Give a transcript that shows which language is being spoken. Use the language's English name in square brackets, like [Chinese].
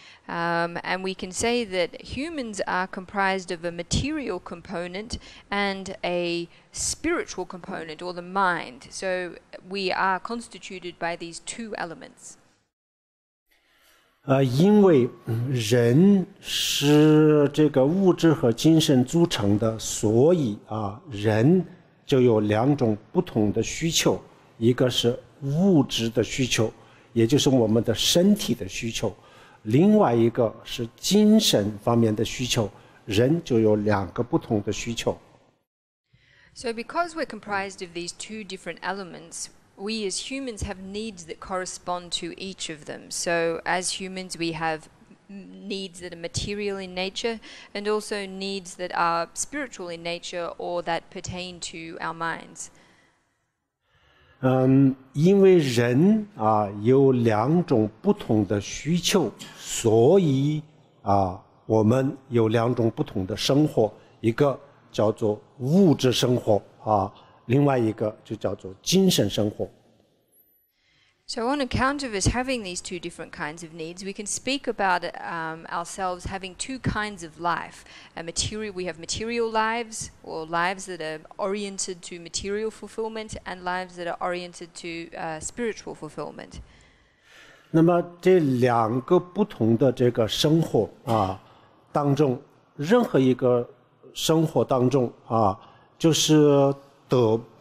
[English] And we can say that humans are comprised of a material component and a spiritual component, or the mind. So we are constituted by these two elements. [Chinese] 因为人是这个物质和精神组成的，所以人就有两种不同的需求，一个是物质的需求，也就是我们的身体的需求，另外一个是精神方面的需求，人就有两个不同的需求。 [English] So because we're comprised of these two different elements, we as humans have needs that correspond to each of them. So as humans, we have needs that are material in nature and also needs that are spiritual in nature or that pertain to our minds. [Chinese] 因为人啊有两种不同的需求，所以啊我们有两种不同的生活，一个叫做物质生活啊，另外一个就叫做精神生活。 [English] So on account of us having these two different kinds of needs, we can speak about ourselves having two kinds of life. We have material lives, or lives that are oriented to material fulfillment, and lives that are oriented to spiritual fulfillment. [Chinese] 那么这两个不同的这个生活啊当中，任何一个生活当中啊，就是得。